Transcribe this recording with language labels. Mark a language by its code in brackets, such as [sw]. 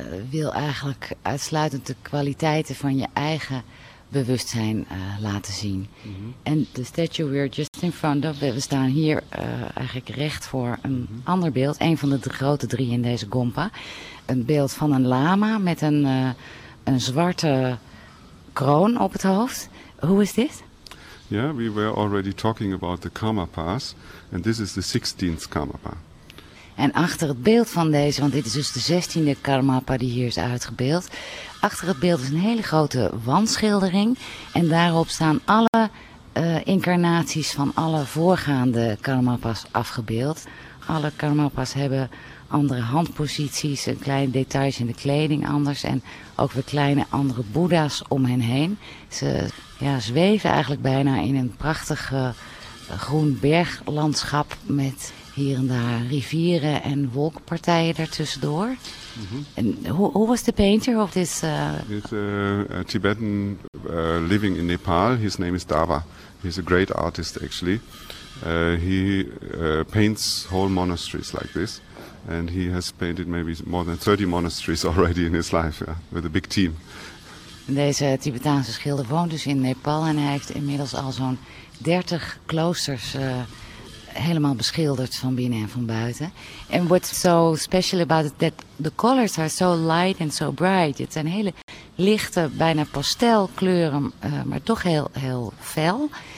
[nl] Wil eigenlijk uitsluitend de kwaliteiten van je eigen bewustzijn laten zien. En de [en] statue we're just in front of, [nl] we staan hier eigenlijk recht voor een ander beeld, een van de grote drie in deze Gompa. Een beeld van een lama met een zwarte kroon op het hoofd. [en] Who is this? Yeah, we were already talking about the Karmapas, and this is the 16th Karmapa. [nl] En achter het beeld van deze, want dit is dus de 16e Karmapa die hier is uitgebeeld. Achter het beeld is een hele grote wandschildering. En daarop staan alle incarnaties van alle voorgaande Karmapas afgebeeld. Alle Karmapas hebben andere handposities, kleine details in de kleding anders. En ook weer kleine andere Boeddha's om hen heen. Ze zweven eigenlijk bijna in een prachtig groen berglandschap met hier en daar rivieren en wolkpartijen ertussendoor. En hoe was de [en] painter of this? He's a Tibetan living in Nepal. His name is Dava. He's a great artist actually. He paints whole monasteries like this, and he has painted maybe more than 30 monasteries already in his life, yeah, with a big team. [nl] Deze Tibetaanse schilder woont dus in Nepal en hij heeft inmiddels al zo'n 30 kloosters helemaal beschilderd van binnen en van buiten. [en] And what's so special about it that the colors are so light and so bright. [nl] Het zijn hele lichte, bijna pastelkleuren, maar toch heel, heel fel.